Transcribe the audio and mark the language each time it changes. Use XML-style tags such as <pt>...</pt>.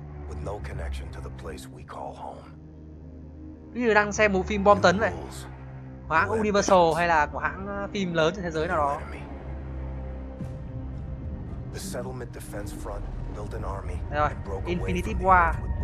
<en>With no connection to the place we call home.</en> <vi>Như đang xem một phim bom tấn vậy. Của hãng Universal hay là của hãng phim lớn trên thế giới nào đó.</vi> <en>The settlement defense front built an army and broke away Infinity War.</en>